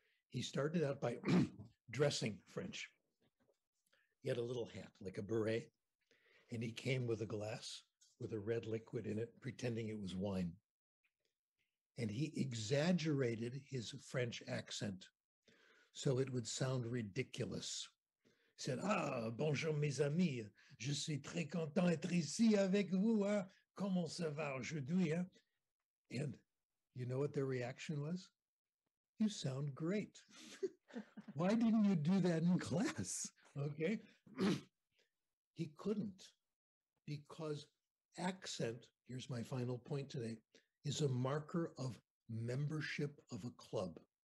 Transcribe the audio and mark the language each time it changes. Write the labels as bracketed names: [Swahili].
[English] He started out by dressing French. He had a little hat, like a beret, and he came with a glass with a red liquid in it, pretending it was wine. And he exaggerated his French accent so it would sound ridiculous. He said, [French] "Ah, bonjour mes amis, je suis très content d'être ici avec vous, hein? Comment ça va aujourd'hui, hein?" [English] And you know what their reaction was? "You sound great. Why didn't you do that in class?" Okay. He couldn't, because accent, here's my final point today, is a marker of membership of a club.